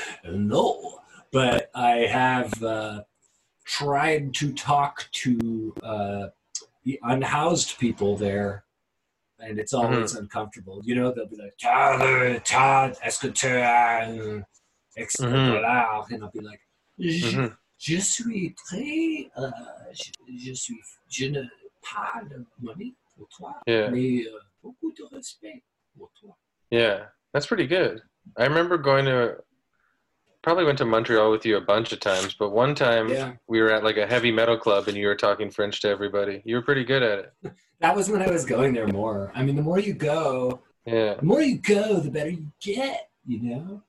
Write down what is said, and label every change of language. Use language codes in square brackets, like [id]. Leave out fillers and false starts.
[en] No, but I have... tried to talk to the unhoused people there, and it's always uncomfortable. You know, they'll be like, "Tyler, Todd, Escoteur, etc." And I'll be like, [fr] "Je suis très, je suis, je n'ai pas de money pour toi, mais beaucoup de respect pour toi." [en] Yeah, that's pretty good. I remember going to probably went to Montreal with you a bunch of times, but one time we were at like a heavy metal club and you were talking French to everybody. You were pretty good at it. That was when I was going there more. I mean, the more you go, the more you go, the better you get, you know?